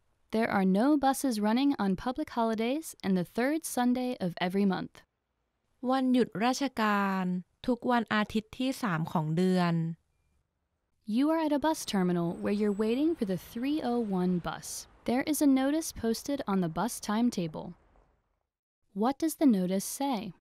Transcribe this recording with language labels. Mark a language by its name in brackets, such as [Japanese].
[English] There are no buses running on public holidays and the third Sunday of every month. [Thai] วันหยุดราชการทุกวันอาทิตย์ที่3ของเดือน [English] You are at a bus terminal where you're waiting for the 301 bus. There is a notice posted on the bus timetable. What does the notice say?